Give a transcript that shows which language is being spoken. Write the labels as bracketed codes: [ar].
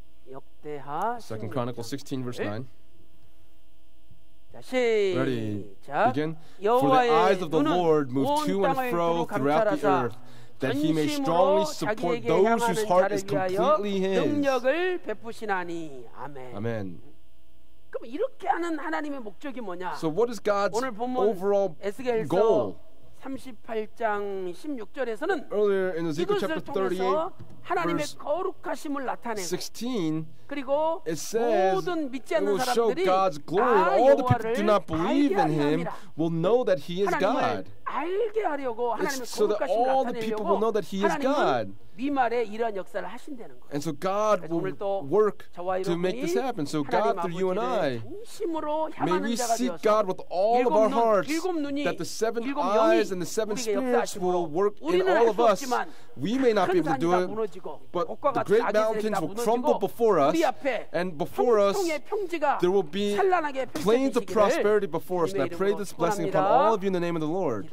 [ko] 역대하 [en] 2 Chronicles 16 verse 9. [ko] 시작. [en] Begin. For the eyes of the Lord move to and fro throughout the earth, that he may strongly support those whose heart is completely his. [ko] 능력을 베푸시나니. 아멘. 아멘. 그럼 이렇게 하는 하나님의 목적이 뭐냐? So what is God's overall goal? 38장 16절에서는 이것을 통해서 하나님의 거룩하심을 나타내는 그리고 모든 믿지 않는 사람들이 다 여호와를 알게 하리랍니다. 하나님을 알게 하려고 하나님의 거룩하심을 나타내려고 하나님은 미말에 이러한 역사를 하신다는 거예요. [en] And so God will work to make this happen. So God through you and I, may we seek God with all of our hearts that the seven eyes and the seven spirits will work in all of us. We may not be able to do it, but the great mountains will crumble before us, and before us there will be plains of prosperity before us. And I pray this blessing upon all of you in the name of the Lord.